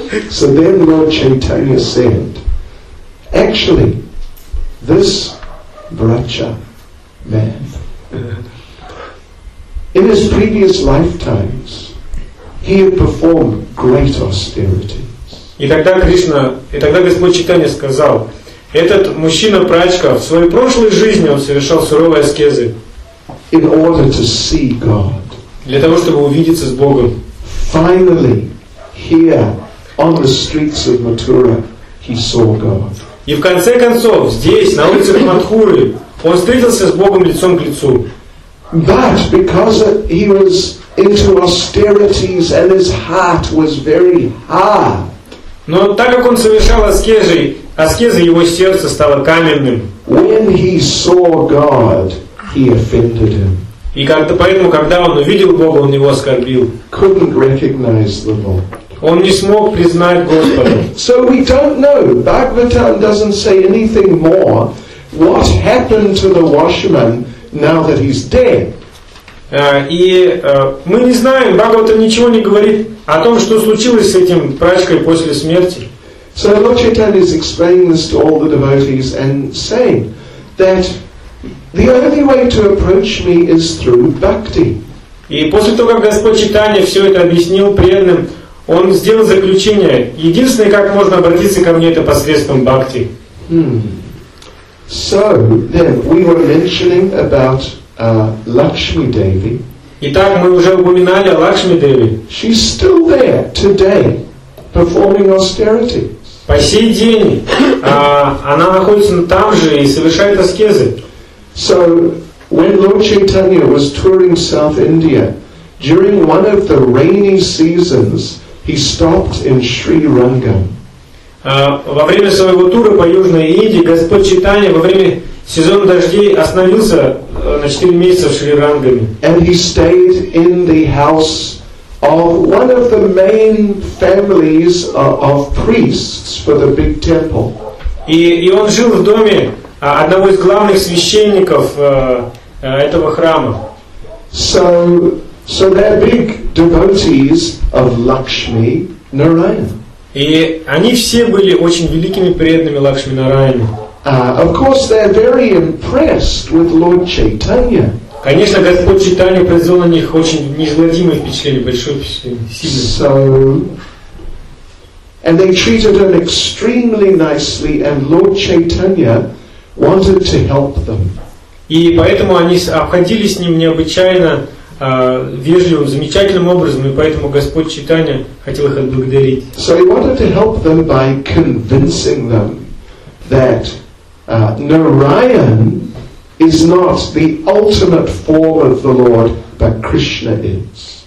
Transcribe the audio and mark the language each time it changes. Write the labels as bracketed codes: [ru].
[en] So then Lord Chaitanya said, actually, this Vraja man, in his previous lifetimes, he had performed great austerities. [ru] И тогда Кришна, и тогда Господь Чайтанья сказал, этот мужчина прачка в своей прошлой жизни он совершал суровые аскезы. [en] In order to see God. [ru] Для того, чтобы увидеться с Богом. [en] Finally, here on the streets of Mathura, he saw God. [ru] И в конце концов, здесь, на улице Матхуры, он встретился с Богом лицом к лицу. [en] But because he was into austerities and his heart was very hard. [ru] Но так как он совершал аскезы, аскезы его сердце стало каменным. [en] When he saw God, he offended him. [ru] И как-то поэтому, когда он увидел Бога, он его оскорбил. [en] Couldn't recognize the Lord. [ru] Он не смог признать Господа. [en] So we don't know. Bhagavatam doesn't say anything more. What happened to the washerman now that he's dead? [ru] Мы не знаем, Бхагавата ничего не говорит о том, что случилось с этим прачкой после смерти. [en] So Lord Chaitanya is explaining this to all the devotees and saying that the only way to approach me is through bhakti. [ru] И после того, как Господь Чайтанья все это объяснил преданным, он сделал заключение. Единственное, как можно обратиться ко мне, это посредством бхакти. [en] So then we were mentioning about Lakshmi Devi. [ru] Итак, мы уже упоминали о Лакшми Деви. [en] She's still there today, performing austerity. [ru] По сей день она находится там же и совершает аскезы. [en] So when Lord Chaitanya was touring South India during one of the rainy seasons, he stopped in Sri Rangam. [ru] Во время своего тура по Южной Индии Господь Чайтанья во время сезона дождей остановился на 4 месяца в Шри Рангаме. [en] And he stayed in the house of one of the main families of priests for the big temple. [ru] И он жил в доме одного из главных священников этого храма. [en] So they're big devotees of Lakshmi Narayana. [ru] И они все были очень великими преданными Лакшми Нараяны. [en] Of course, they're very impressed with Lord Chaitanya. [ru] Конечно, Господь Чайтанья произвел на них очень неизгладимое впечатление, большое впечатление. [en] So, and they treated him extremely nicely, and Lord Chaitanya wanted to help them. [ru] И поэтому они обходились с ним необычайно вежливым, замечательным образом, и поэтому Господь Чайтанья хотел их отблагодарить. [en] So he wanted to help them by convincing them that Narayan is not the ultimate form of the Lord, but Krishna is.